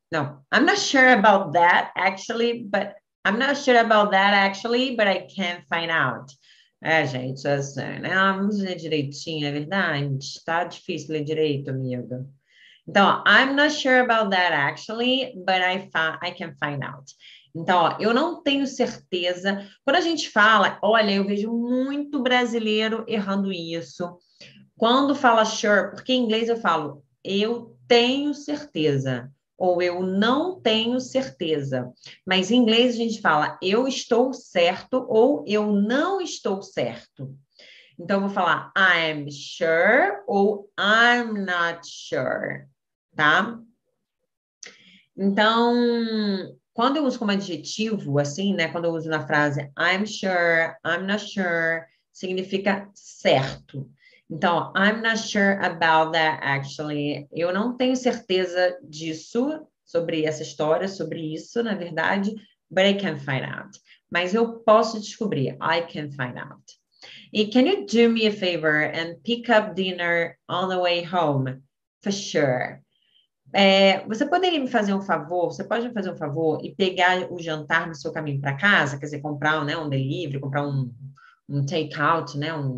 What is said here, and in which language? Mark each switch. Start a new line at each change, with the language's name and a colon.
Portuguese: Não,
English: I'm not sure about that actually, but I'm not sure about that actually, but I can't find out.
Portuguese: É, gente, assim, né? Vamos ler direitinho, é verdade? Tá difícil ler direito, amiga. Então, ó,
English: I'm not sure about that actually, but I can find out.
Portuguese: Então, ó, eu não tenho certeza. Quando a gente fala, olha, eu vejo muito brasileiro errando isso. Quando fala sure, porque em inglês eu falo, eu tenho certeza. Ou eu não tenho certeza. Mas em inglês a gente fala eu estou certo ou eu não estou certo. Então eu vou falar
English: I'm sure
Portuguese: ou
English: I'm not sure,
Portuguese: tá? Então, quando eu uso como adjetivo, assim, né? Quando eu uso na frase
English: I'm sure, I'm not sure,
Portuguese: significa certo.
English: Então, I'm not sure about that, actually.
Portuguese: Eu não tenho certeza disso, sobre essa história, sobre isso, na verdade.
English: But I can find out.
Portuguese: Mas eu posso descobrir.
English: I can find out.
Portuguese: E
English: can you do me a favor and pick up dinner on the way home? For sure.
Portuguese: É, você poderia me fazer um favor? Você pode me fazer um favor e pegar o jantar no seu caminho para casa? Quer dizer, comprar, né, um delivery, comprar um take-out, né?